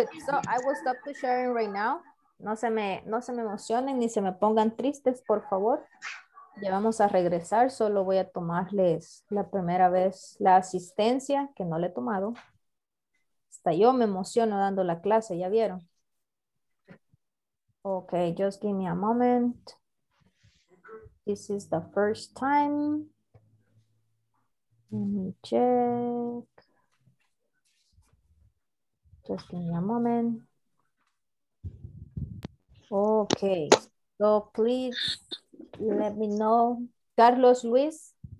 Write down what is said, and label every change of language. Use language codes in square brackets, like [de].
[en] So I will stop the sharing right now. [es] No se me emocionen ni se me pongan tristes, por favor. Ya vamos a regresar, solo voy a tomarles la primera vez la asistencia, que no le he tomado. Hasta yo me emociono dando la clase, ¿ya vieron? [en] Ok, just give me a moment. This is the first time. Let me check. Just give me a moment. Okay, so please let me know. Carlos Luis?